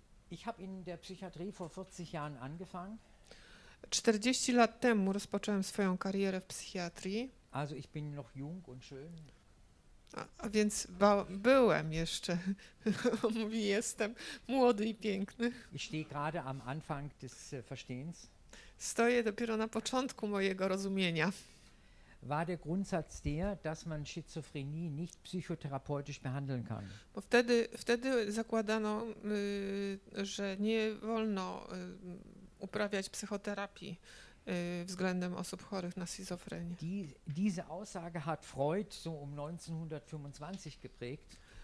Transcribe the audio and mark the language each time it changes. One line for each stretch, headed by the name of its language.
German: Ich habe in der Psychiatrie vor 40 Jahren angefangen.
Polish: 40 lat temu rozpocząłem swoją karierę w psychiatrii.
German: Also ich bin noch jung und schön.
Polish: A więc byłem jeszcze, mówi, jestem młody i piękny.
German: Ich stehe gerade am Anfang des Verstehens.
Polish: Stoję dopiero na początku mojego rozumienia.
German: War der Grundsatz der, dass man Schizophrenie nicht psychotherapeutisch behandeln kann.
Polish: Bo wtedy zakładano, że nie wolno uprawiać psychoterapii względem osób chorych na schizofrenię.
German: Diese Aussage hat Freud so 1925 geprägt.